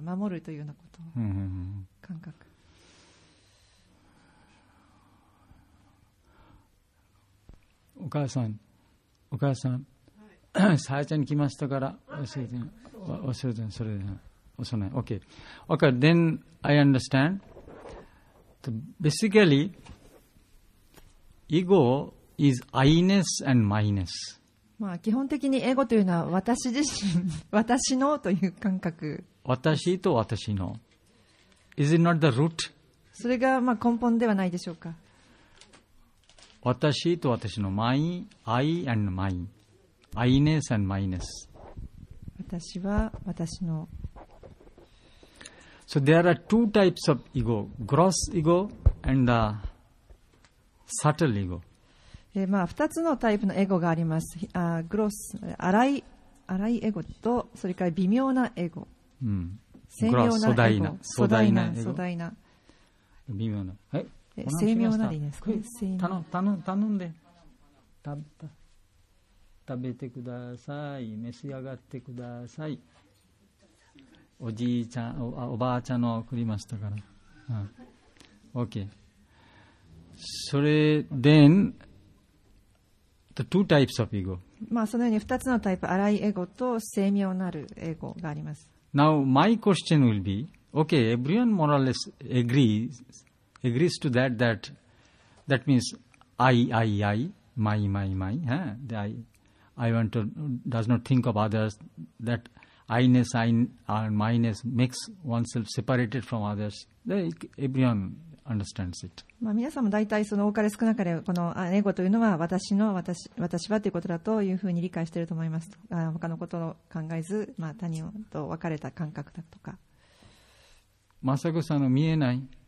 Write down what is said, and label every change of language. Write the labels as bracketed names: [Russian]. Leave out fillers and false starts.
[Japanese] 守るというようなこと、感覚。お母さん、さあちゃんに来ましたから忘れてん、それで。 [English] Okay, then I understand. So basically, ego is I-ness and my-ness. [Japanese] まあ基本的にエゴというのは私自身、私のという感覚。私と私の。 [English] Is it not the root? [Japanese] それがまあ根本ではないでしょうか。私と私の [English] my, I and mine. I-ness and my-ness. [Japanese] 私は私の。 [English] So there are two types of ego, gross ego and the subtle ego. [Japanese] まあ二つのタイプのエゴがあります。 gross、粗いエゴとそれから微妙なエゴ。うん。精妙なエゴ。粗大なエゴ。微妙な。はい。精妙なでいいですか、ね。頼んで。食べてください。召し上がってください。おじいちゃん、おばあちゃんの送りましたから。 [English] OK。 [Japanese] それ、 [English] then、the two types of ego。 [Japanese] まあ、そのように2つのタイプ、粗いエゴと精妙なるエゴがあります。 [English] Now, my question will be: OK, everyone more or less agrees to that means I, my.、Huh? The I want to, does not think of others, that. I-ness and my-ness makes oneself separated from others. Everyone understands it. [Japanese] まあ皆さんも大体その多かれ少なかれこのエゴというのは私はということだというふうに理解していると思います。他のことを考えず、まあ、他人と別れた感覚だとか。マサコさんの見えない。